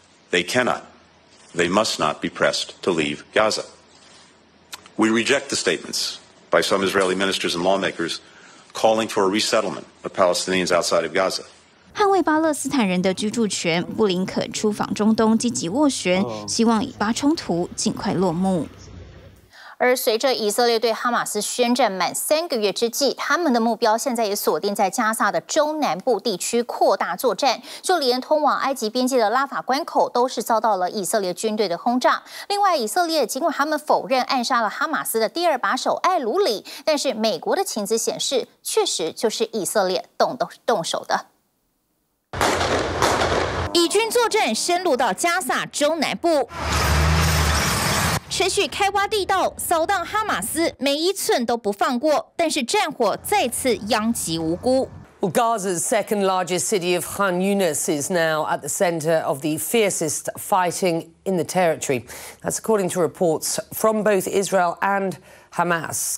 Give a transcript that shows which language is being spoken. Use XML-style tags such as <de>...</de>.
<en>They cannot, they must not be pressed to leave Gaza. We reject the statements by some Israeli ministers and lawmakers calling for a resettlement of Palestinians outside of Gaza.</en> <zh>捍卫巴勒斯坦人的居住权，布林肯出访中东积极斡旋，希望以巴冲突尽快落幕。而随着以色列对哈马斯宣战满三个月之际，他们的目标现在也锁定在加萨的中南部地区扩大作战，就连通往埃及边界的拉法关口都是遭到了以色列军队的轰炸。另外，以色列尽管他们否认暗杀了哈马斯的第二把手艾鲁里，但是美国的情资显示，确实就是以色列动手的。以军作战深入到加萨中南部，持续开挖地道，扫荡哈马斯，每一寸都不放过。但是战火再次殃及无辜。</zh> <en>Well, Gaza's second largest city of Khan Yunis is now at the center of the fiercest fighting in the territory. That's according to reports from both Israel and Hamas.</en>